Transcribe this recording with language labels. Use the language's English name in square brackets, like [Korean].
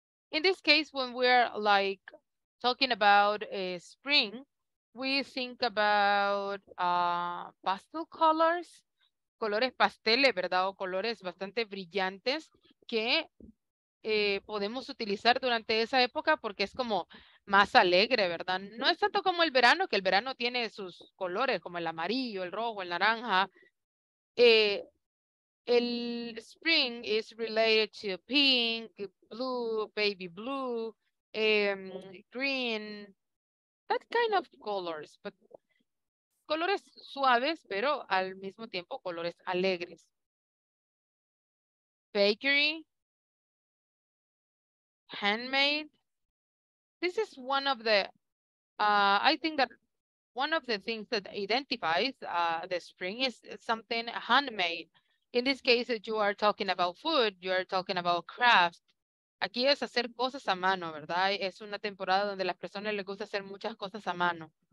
[English] In this case, when we are like talking about spring, we think about pastel colors, [Spanish] colores pasteles, ¿verdad? O colores bastante brillantes que podemos utilizar durante esa época porque es como más alegre, ¿verdad? No es tanto como el verano, que el verano tiene sus colores como el amarillo, el rojo, el naranja. [English] El spring is related to pink, blue, baby blue, green, that kind of colors. But [Spanish] colores suaves, pero al mismo tiempo colores alegres. [English] Bakery, handmade. This is one of the, I think that one of the things that identifies the spring is something handmade. In this case, you are talking about food, you are talking about craft. [Spanish] Aquí es hacer cosas a mano, ¿verdad? Es una temporada donde las personas les gusta hacer muchas cosas a mano.